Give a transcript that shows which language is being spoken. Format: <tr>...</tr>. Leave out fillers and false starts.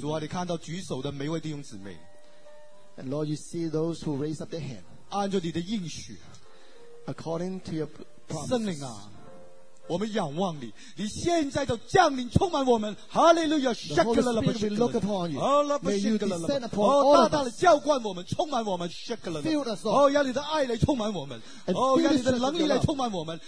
<zh>主啊，你看到举手的每位弟兄姊妹。</zh> <en>And Lord, you see those who raise up their hand.</en> <zh>按照你的应许</zh> <en>according to your promise.</en> <zh>圣灵啊，我们仰望你，你现在就降临充满我们。</zh> <en>Hallelujah, shakala la bashakala. We look upon you. May you descend upon all of</en> <zh>us. 大大的浇灌我们，充满我们。 Shakala.</zh> <en>Fill us</en> <zh>all. 要你的爱来充满我们。 Oh, 要你的能力来充满我们。</zh>